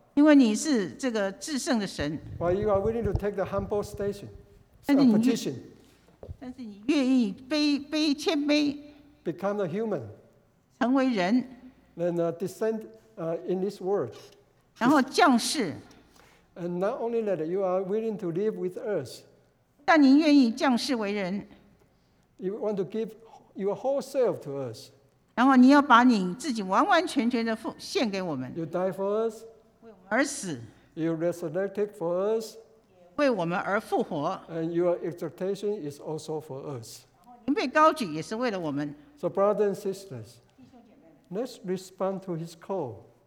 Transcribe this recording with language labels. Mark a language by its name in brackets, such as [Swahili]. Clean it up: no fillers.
[Chinese] 因为你是这个至圣的神。 [English] But you are willing to take the humble station, a petition. [Chinese] 但是你愿意谦卑。 [English] Become a human. [Chinese] 成为人。 [English] Then descend in this world. [Chinese] 然后降世。 [English] And not only that, you are willing to live with us. [Chinese] 但您愿意降世为人。 [English] You want to give your whole self to us. [Chinese] 然后你要把你自己完完全全的献给我们。 [English] You died for us. [Chinese] 为我们而死。 [English] You resurrected for us. [Chinese] 为我们而复活。 [English] And your exaltation is also for us. [Chinese] 您被高举也是为了我们。 [English] So brothers and sisters, let's respond to his call.